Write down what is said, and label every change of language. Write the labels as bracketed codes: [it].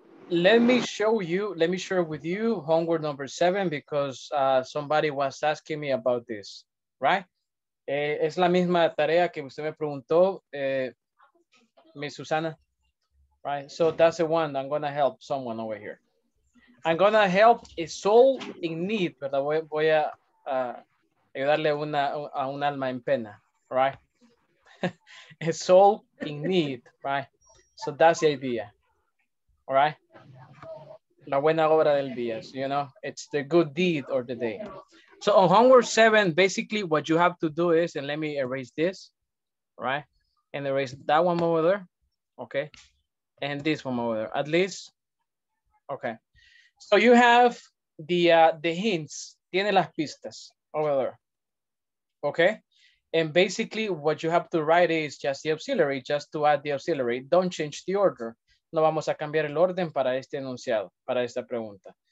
[en] Let me share with you homework number 7 because somebody was asking me about this, right? [es] Es la misma tarea que usted me preguntó, Miss Susana, right? [en] So that's the one I'm gonna help someone over here. I'm gonna help a soul in need, ¿verdad? [es] Voy a ayudarle a un alma en pena, right? [en] A soul in need, right? So that's the idea, all right? [es] La buena obra del día, [en] you know? It's the good deed of the day. So on homework 7, basically what you have to do is, and let me erase this, right? And erase that one over there, okay? And this one over there, at least, okay. So you have the hints, [es] tiene las pistas [en] over there, okay? And basically what you have to write is just the auxiliary, just to add the auxiliary. Don't change the order. [es] No vamos a cambiar el orden para este enunciado, para esta pregunta.